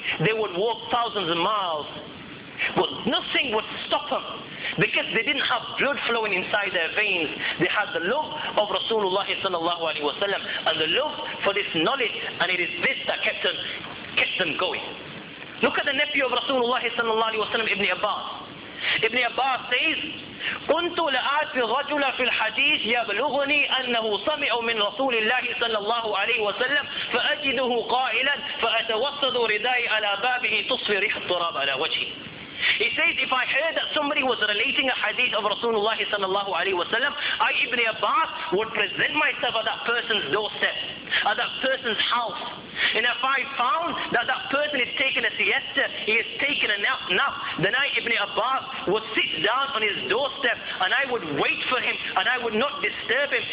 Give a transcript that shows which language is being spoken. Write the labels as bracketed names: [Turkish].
[English] They would walk thousands of miles. But nothing would stop them because they didn't have blood flowing inside their veins. They had the love of Rasulullah sallallahu alaihi wasallam and the love for this knowledge, and it is this that kept them going. Look at the nephew of Rasulullah sallallahu alaihi wasallam, Ibn Abbas. Ibn Abbas says, [Arabic] كنت لآتي الرجل في الحديث يبلغني أنه سمع من رسول الله صلى الله عليه وسلم فأجده قائلا فأتوسد ردائي على بابه تصفي ريح التراب على وجهي. [English] He says, if I heard that somebody was relating a hadith of Rasulullah sallallahu alayhi wa sallam, I, Ibn Abbas, would present myself at that person's doorstep, at that person's house. And if I found that that person is taking a siesta, he is taking a nap, then I, Ibn Abbas, would sit down on his doorstep and I would wait for him and I would not disturb him.